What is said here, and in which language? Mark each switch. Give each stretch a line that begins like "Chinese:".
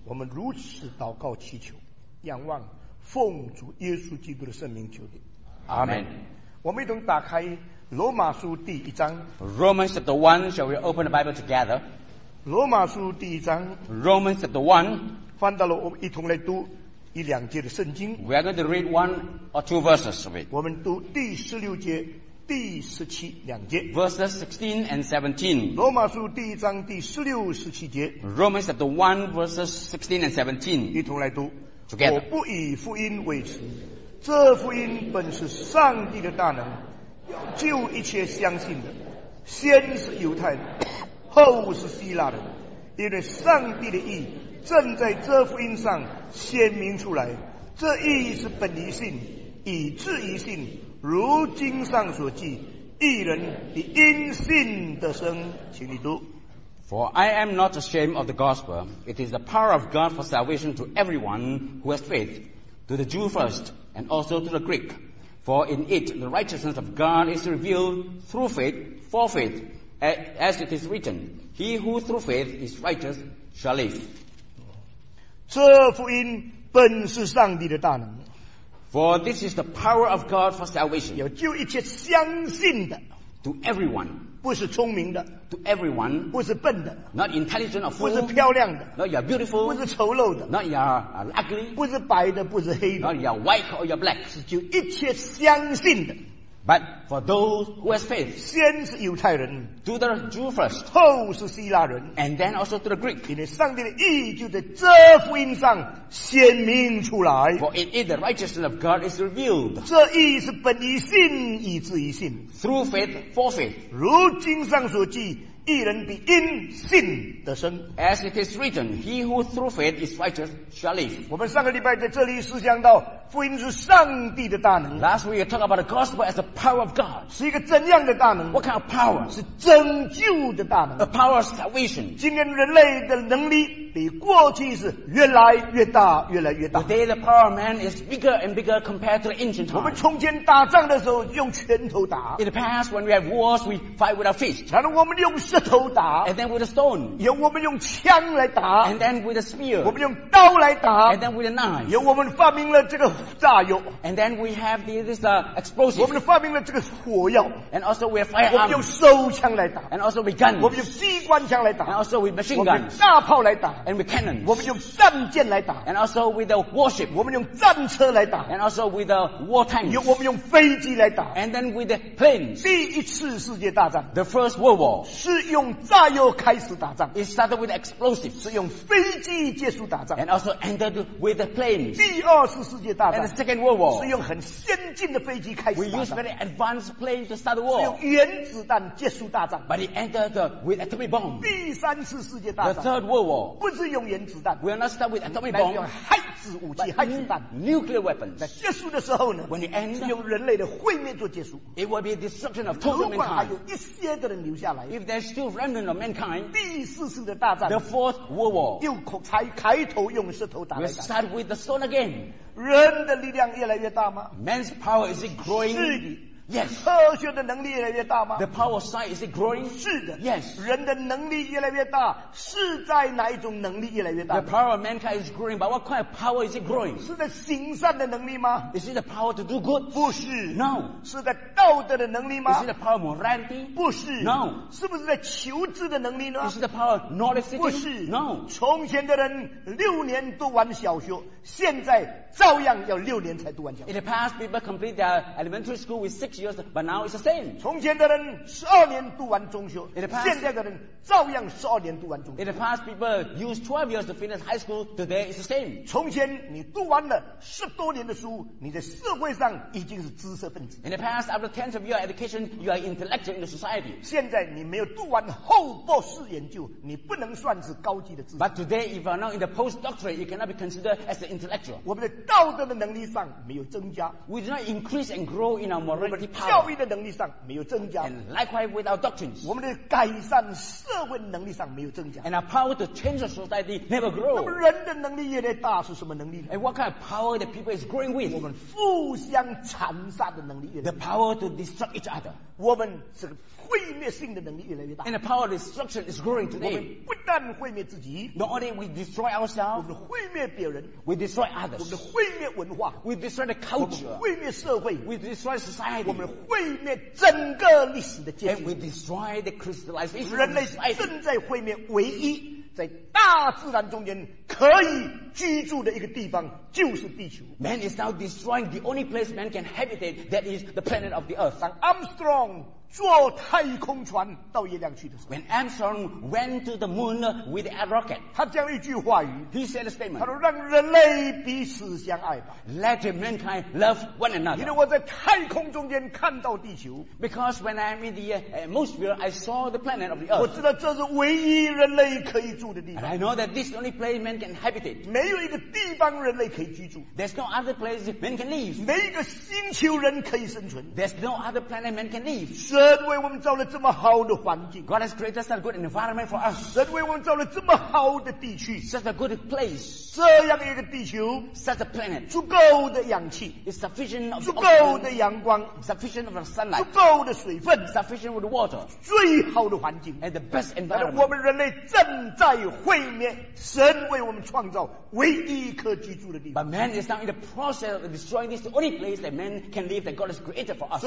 Chinese: 我们如此祷告祈求仰望奉主耶稣基督的圣名求你，阿们。我们一同打开罗马书第一章。
English: Romans chapter 1, shall we open the Bible together?
Chinese: 罗马书第一章。
English: Romans chapter 1,
Chinese: 翻到了我们一同来读一两节的圣经。
English: We are going to read one or two verses of it.
Chinese: 我们读第十六节、第十七两节。
English: Verses 16 and 17.
Chinese: 罗马书第一章第十六、十七节。
English: Romans chapter 1, verses 16 and 17.
Chinese: 一同来读。
English: Together.
Chinese: 我不以福音为耻。这福音本是上帝的大能，要救一切相信的，先是犹太人，后是希腊人，因为上帝的义正在这福音上显明出来，这义是本于信，以至于信，如经上所记，义人必因信得生。请你读。
English: For I am not ashamed of the gospel, it is the power of God for salvation to everyone who has faith, to the Jew first,and also to the Greek. For in it the righteousness of God is revealed through faith, for faith, as it is written, He who through faith is righteous shall live.
Chinese: 这福音本是上帝的大能。
English: For this is the power of God for salvation.
Chinese: 要救一切相信的。
English: To everyone.
Chinese: 不是聪明的。
English: To everyone.
Chinese: 不是笨的。
English: Not intelligent or fool.
Chinese: 不是漂亮的。
English: Not you're beautiful.
Chinese: 不是丑陋的。
English: Not you're ugly.
Chinese: 不是白的，不是黑的。
English: Not you're white or you're black.
Chinese: 是救一切相信的。
English: But for those who has faith.
Chinese: 先是犹太人。
English: To the Jew first.
Chinese: 后是希腊人。
English: And then also to the Greek.
Chinese: 因为上帝的义就在这福音上显明出来。
English: For in it the righteousness of God is revealed.
Chinese: 这义是本于信，以至于信。
English: Through faith, for faith.
Chinese: 如经上所记，义人必因信得生。
English: As it is written, he who through faith is righteous shall live.
Chinese: 我们上个礼拜在这里思想到福音是上帝的大能。
English: Last week we talked about the gospel as the power of God.
Chinese: 是一个怎样的大能？
English: What kind of power?
Chinese: 是拯救的大能。
English: The power of salvation.
Chinese: 今天人类的能力比过去是越来越大，越来越大。
English: Today the power of man is bigger and bigger compared to the ancient time.
Chinese: 我们从前打仗的时候用拳头打。
English: In the past, when we have wars, we fight with our fists.
Chinese: 然后我们用石头打。
English: And then with a stone.
Chinese: 用我们用枪来打。
English: And then with a spear.
Chinese: 我们用刀来打。
English: And then with a knife.
Chinese: 用我们发明了这个炸药。
English: And then we have this explosive.
Chinese: 我们发明了这个火药。
English: And also we have firearms.
Chinese: 我们用手枪来打。
English: And also with guns.
Chinese: 我们用机关枪来打。
English: And also with machine guns.
Chinese: 我们大炮来打。
English: And with cannons.
Chinese: 我们用战舰来打。
English: And also with a warship.
Chinese: 我们用战车来打。
English: And also with a war tank.
Chinese: 我们用飞机来打。
English: And then with the planes.
Chinese: 第一次世界大战。
English: The First World War.
Chinese: 是用炸药开始打仗。
English: It started with explosives.
Chinese: 是用飞机结束打仗。
English: And also ended with the planes.
Chinese: 第二次世界大战。
English: And the Second World War.
Chinese: 是用很先进的飞机开始打仗。
English: We used very advanced planes to start the war.
Chinese: 是用原子弹结束大战。
English: But it ended with atomic bombs.
Chinese: 第三次世界大战。
English: The Third World War.
Chinese: 不是用原子弹。
English: We are not start with atomic bombs.
Chinese: 用核子武器、核子弹。
English: Nuclear weapons.
Chinese: 在结束的时候呢
English: ？When it ends,
Chinese: 是用人类的毁灭做结束。
English: It will be a destruction of total mankind.
Chinese: 如果还有一些的人留下来
English: ，If there's still remnant of mankind,
Chinese: 第四次的大战
English: ，The Fourth World War.
Chinese: 又开头用石头打来打。
English: We start with the stone again.
Chinese: 人的力量越来越大吗
English: ？Man's power is growing.
Chinese: 是的。
English: Yes.
Chinese: 科学的能力越来越大吗
English: ？The power of science is it growing.
Chinese: 是的。
English: Yes.
Chinese: 人的能力越来越大，是在哪一种能力越来越大
English: ？The power of mankind is growing, but what kind of power is it growing?
Chinese: 是在行善的能力吗
English: ？Is it the power to do good?
Chinese: 不是。
English: No.
Chinese: 是在道德的能力吗
English: ？Is it the power of morality?
Chinese: 不是。
English: No.
Chinese: 是不是在求知的能力呢
English: ？Is it the power of knowledge seeking?
Chinese: 不是。
English: No.
Chinese: 从前的人六年读完小学，现在照样要六年才读完小学。
English: In the past, people complete their elementary school with six. Years, but now it's the same.
Chinese: 从前的人十二年读完中学
English: past,
Chinese: 现在的人照样十二年读完中学
English: In the past people used 12 years to finish high school Today it's the same
Chinese: 从前你读完了十多年的书你在社会上已经是知识分子
English: In the past after 10th of your education You are intellectual in the society
Chinese: 现在你没有读完后博士研究你不能算是高级的知识
English: But today if you are now in the post-doctorate You cannot be considered as an intellectual
Chinese: 我们的道德的能力上没有增加
English: We do not increase and grow in our morality prosperity power.
Chinese: 教义的能力上没有增加。
English: And likewise with our doctrines.
Chinese: 我们的改善社会能力上没有增加。
English: And our power to change the society never grow.
Chinese: 那么人的能力越来越大是什么能力呢？
English: And what kind of power the people is growing with?
Chinese: 我们互相残杀的能力越来越大。
English: The power to destruct each other.
Chinese: 我们这个毁灭性的能力越来越大。
English: And the power of destruction is growing today.
Chinese: 我们不但毁灭自己。
English: Not only we destroy ourselves.
Chinese: 我们毁灭别人。
English: We destroy others.
Chinese: 我们毁灭文化。
English: We destroy the culture.
Chinese: 毁灭社会。
English: We destroy society.
Chinese: 我们毁灭整个历史的阶级。
English: And we destroy the crystallization.
Chinese: 人类正在毁灭唯一在大自然中间可以居住的一个地方，就是地球。
English: Man is now destroying the only place man can habitate, that is the planet of the earth.
Chinese: 当 Armstrong 坐太空船到月亮去的时候
English: ，When Armstrong went to the moon with a rocket，
Chinese: 他讲了一句话语
English: ，He said a statement，
Chinese: 他说让人类彼此相爱吧
English: ，Let mankind love one another。
Chinese: 因为我在太空中间看到地球
English: ，Because when I'm in the atmosphere, I saw the planet of the earth。
Chinese: 我知道这是唯一人类可以住的地方
English: ，And I know that this is the only place man can habitate。
Chinese: 没有一个地方人类可以居住
English: ，There's no other place man can live。
Chinese: 没一个星球人可以生存
English: ，There's no other planet man can live。
Chinese: 神为我们造了这么好的环境
English: ，God has created such a good environment for us。
Chinese: 神为我们造了这么好的地区
English: ，such a good place。
Chinese: 这样一个地球
English: ，such a planet，
Chinese: 足够的氧气
English: ，is sufficient of
Chinese: 足够的阳光
English: ，sufficient of sunlight，
Chinese: 足够的水分
English: ，sufficient with water，
Chinese: 最好的环境
English: ，and the best environment。
Chinese: 我们人类正在毁灭，神为我们创造唯一可居住的地方。
English: But man is now in the process of destroying this the only place that man can live that God has created for us。